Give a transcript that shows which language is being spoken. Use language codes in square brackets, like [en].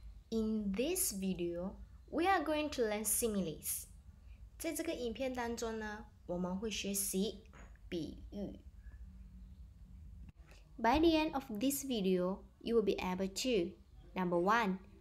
[en] In this video, we are going to learn similes. [zh] 在这个影片当中呢，我们会学习比喻。 [en] By the end of this video, you will be able to 1.